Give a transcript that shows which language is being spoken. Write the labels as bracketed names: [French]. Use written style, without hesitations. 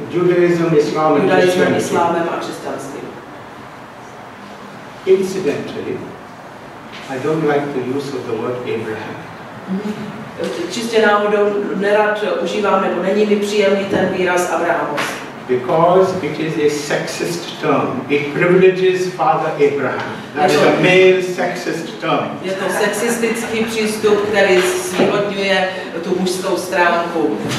[Czech] Judaismem, islámem a křesťanstvím. [English] Incidentally, I don't like the use of the word Abraham. [Czech] Čistě náhodou nerad užívám, nebo není mi příjemný ten výraz abrahamovský. [English] Because it is a sexist term. It privileges Father Abraham. That is a male sexist term. [Czech] Je to sexistický přístup, který zvýhodňuje tu mužskou stránku.